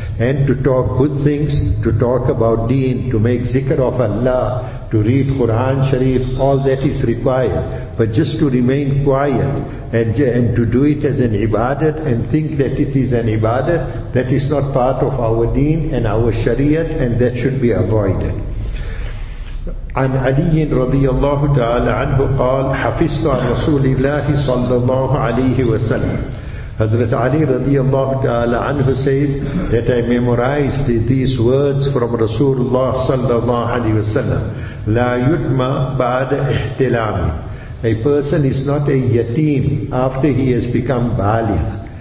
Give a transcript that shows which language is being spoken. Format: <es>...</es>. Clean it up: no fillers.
<en>And to talk good things, to talk about deen, to make zikr of Allah, to read Quran Sharif, all that is required. But just to remain quiet and to do it as an ibadat and think that it is an ibadat, that is not part of our deen and our shariat, and that should be avoided.</en> <ar>عن علي رضي الله تعالى عنه قال حفظت عن رسول الله صلى الله عليه وسلم.</ar> <en>Hazrat Ali رضي الله تعالى عنه says that I memorized these words from Rasulullah صلى الله عليه وسلم.</en> <ar>لا يدمى بعد احتلام.</ar> <en>A person is not a yatim after he has become baligh.</en>